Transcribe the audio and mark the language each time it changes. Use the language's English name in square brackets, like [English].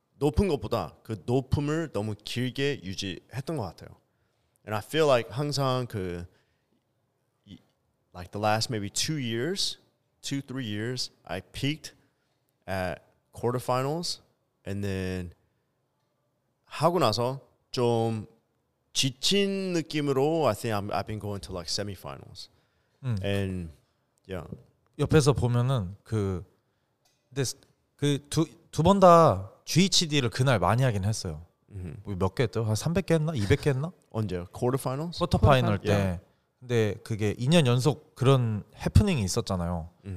[Korean] 높은 것보다 그 높음을 너무 길게 유지했던 것 같아요. [English] And I feel like [Korean] 항상 그 [English] like the last maybe two, three years, I peaked at quarterfinals and then [Korean] 하고 나서 좀 지친 느낌으로 [English] I think I've been going to like semifinals. And yeah. [Korean] 옆에서 보면은 그 근데 그 두 번 다 GHD를 그날 많이 하긴 했어요. 몇 개 했죠? 한 300개 했나? 200개 했나? 언제요? quarterfinals? 쿼터파이널 때. Yeah. 근데 그게 2년 연속 그런 해프닝이 있었잖아요.